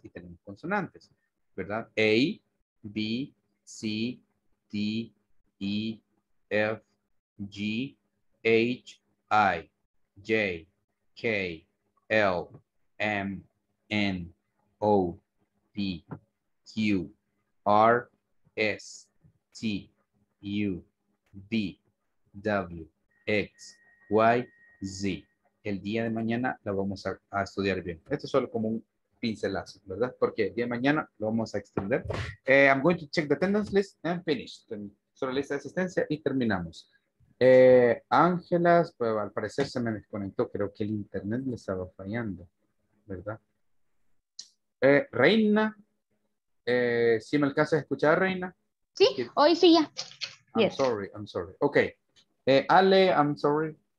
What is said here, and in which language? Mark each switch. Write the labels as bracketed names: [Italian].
[Spanish] Y tenemos consonantes, ¿verdad? A, B, C, D, E, F, G, H, I, J, K, L, M, N, O, P, Q, R, S, T, U, V, W, X, Y, Z. El día de mañana lo vamos a estudiar bien. Esto es solo como un pincelazo, ¿verdad? Porque el día de mañana lo vamos a extender. [English] I'm going to check the attendance list and finish. [Spanish] Solo lista de asistencia y terminamos. Ángelas, pues al parecer se me desconectó, creo que el internet le estaba fallando, ¿verdad? Reina, ¿sí me alcanzas a escuchar, Reina? Sí, hoy sí ya. [English] I'm sorry. Ok. Ale, I'm sorry.